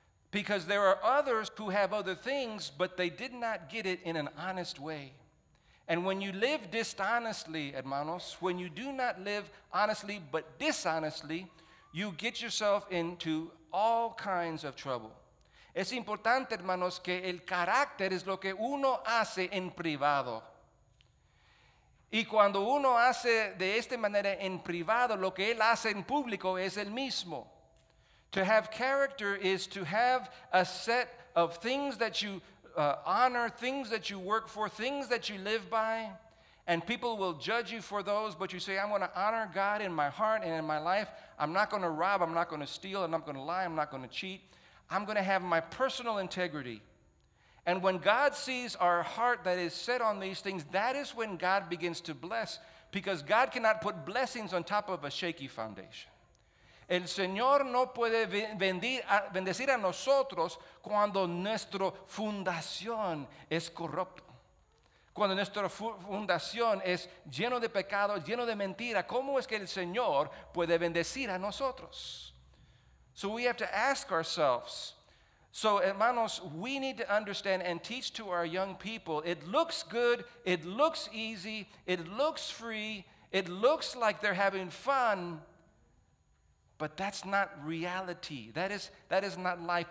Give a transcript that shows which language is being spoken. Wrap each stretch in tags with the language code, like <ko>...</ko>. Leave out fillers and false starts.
<en>Because there are others who have other things, but they did not get it in an honest way. And when you live dishonestly, hermanos, when you do not live honestly but dishonestly, you get yourself into all kinds of trouble.</en> <es>Es importante, hermanos, que el carácter es lo que uno hace en privado. Y cuando uno hace de esta manera en privado, lo que él hace en público es el mismo.</es> <en>To have character is to have a set of things that you honor, things that you work for, things that you live by, and people will judge you for those, but you say, I'm going to honor God in my heart and in my life. I'm not going to rob, I'm not going to steal, I'm not going to lie, I'm not going to cheat. I'm going to have my personal integrity. And when God sees our heart that is set on these things, that is when God begins to bless, because God cannot put blessings on top of a shaky foundation.</en> <es>El Señor no puede bendecir a nosotros cuando nuestra fundación es corrupta. Cuando nuestra fundación es lleno de pecado, lleno de mentira, ¿cómo es que el Señor puede bendecir a nosotros?</es> <en>So we have to ask ourselves. So, hermanos, we need to understand and teach to our young people. It looks good, it looks easy, it looks free, it looks like they're having fun. But that's not reality. That is not life.</en>